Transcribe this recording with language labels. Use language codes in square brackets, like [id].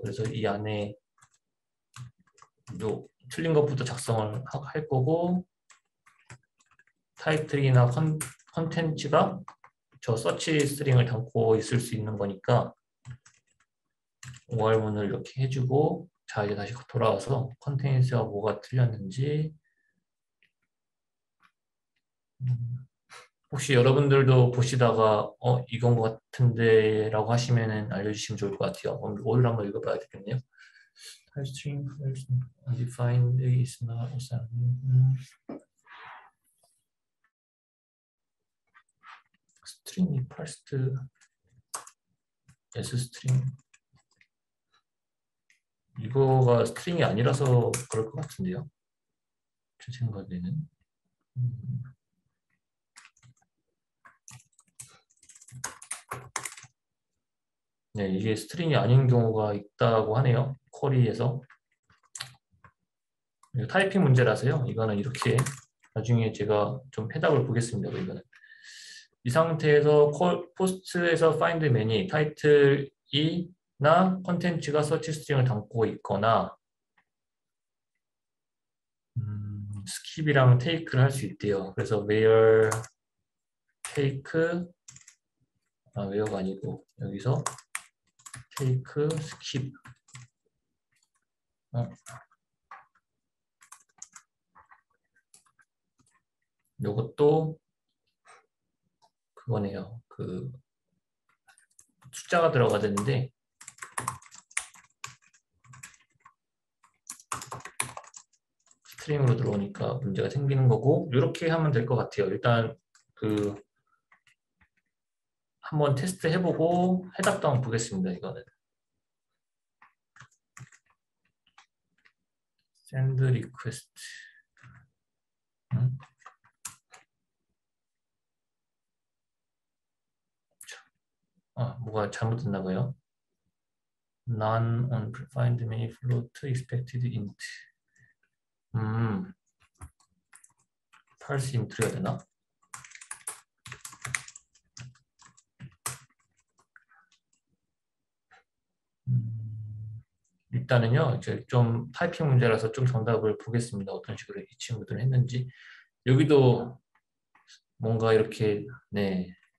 [ko] 그래서 이 안에 또 틀린 것부터 작성을 할 거고, 타이틀이나 컨텐츠가 저 서치 스트링을 담고 있을 수 있는 거니까 OR문을 이렇게 해주고, 자 이제 다시 돌아와서 컨텐츠가 뭐가 틀렸는지, 혹시 여러분들도 보시다가 이건 것 같은데 라고 하시면 알려주시면 좋을 것 같아요. 오늘 한번 읽어봐야 되겠네요. [en] 타이틀 스트링 undefined is not assigned. [ko] 스트링이 파스트 S스트링, 이거가 스트링이 아니라서 그럴 것 같은데요. 제 생각에는 네, 이게 스트링이 아닌 경우가 있다고 하네요. 쿼리에서 타이핑 문제라서요. 이거는 이렇게 나중에 제가 좀 해답을 보겠습니다. 이거는 이 상태에서 포스트에서 find many 타이틀이나 컨텐츠가 서치 스트링을 담고 있거나 skip이랑 take를 할수 있대요. 그래서 where take, where가 아니고 여기서 take, skip. 이것도 그거네요. 그 숫자가 들어가야 되는데, 스트링으로 들어오니까 문제가 생기는 거고, 이렇게 하면 될것 같아요. 일단 그 한번 테스트 해보고 해답도 한번 보겠습니다. 이거는 [en] send request. [ko] 아, 뭐가 잘못됐나 봐요. [en] None on find many float expected int. [ko] Parse int 해야 되나? 일단은요, 이제 좀 타이핑 문제라서 좀 정답을 보겠습니다. 어떤 식으로 이 친구들은 했는지. 여기도 뭔가 이렇게, 네.